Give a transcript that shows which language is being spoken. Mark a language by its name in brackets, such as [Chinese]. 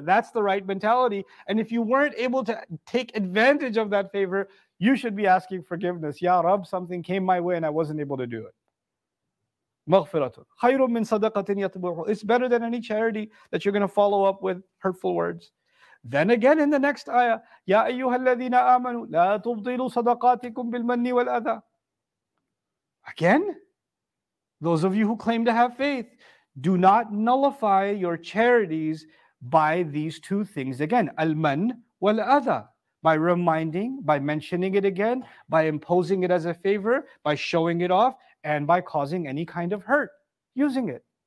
[English] That's the right mentality. And if you weren't able to take advantage of that favor, you should be asking forgiveness. Ya Rab, something came my way and I wasn't able to do it. [Arabic] مَغْفِرَةٌ خَيْرٌ مِّن صَدَقَةٍ يَتْبُعُهُ. [English] It's better than any charity that you're going to follow up with hurtful words. Then again in the next ayah, [Arabic] يَا أَيُّهَا الَّذِينَ آمَنُوا لَا تُبْطِلُوا صَدَقَاتِكُمْ بِالْمَنِّ وَالْأَذَى. [English] Again, those of you who claim to have faith, do not nullify your charities by these two things again. [Arabic] الْمَنْ وَالْأَذَى. [English] By reminding, by mentioning it again, by imposing it as a favor, by showing it off, and by causing any kind of hurt, using it.